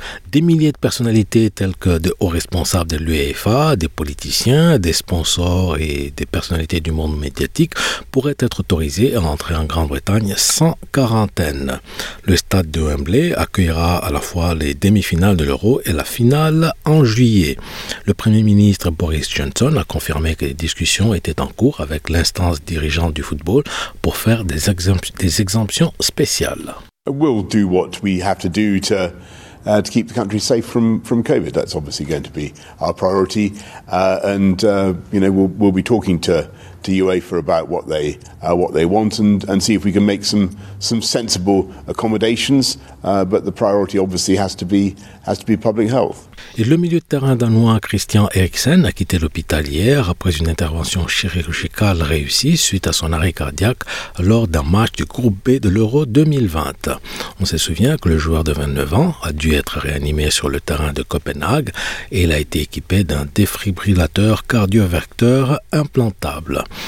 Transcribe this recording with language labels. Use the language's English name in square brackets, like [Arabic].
[French] Des milliers de personnalités telles que de hauts responsables de l'UEFA, des politiciens, des sponsors et des personnalités du monde médiatique pourraient être autorisés à entrer en Grande-Bretagne sans quarantaine. Le stade de Wembley accueillera à la fois les demi-finales de l'Euro et la finale en juillet. Le Premier ministre Boris Johnson a confirmé que les discussions étaient en cours avec l'instance dirigeante du football pour faire des exemptions spéciales. [English] We'll do what we have to do to keep the country safe from COVID. That's obviously going to be our priority. We'll be talking to UEFA about what they want and see if we can make some sensible accommodations. But the priority obviously has to be public health. [French] Et le milieu de terrain danois Christian Eriksen a quitté l'hôpital hier après une intervention chirurgicale réussie suite à son arrêt cardiaque lors d'un match du groupe B de l'Euro 2020. On se souvient que le joueur de 29 ans a dû être réanimé sur le terrain de Copenhague et il a été équipé d'un défibrillateur cardiovecteur implantable.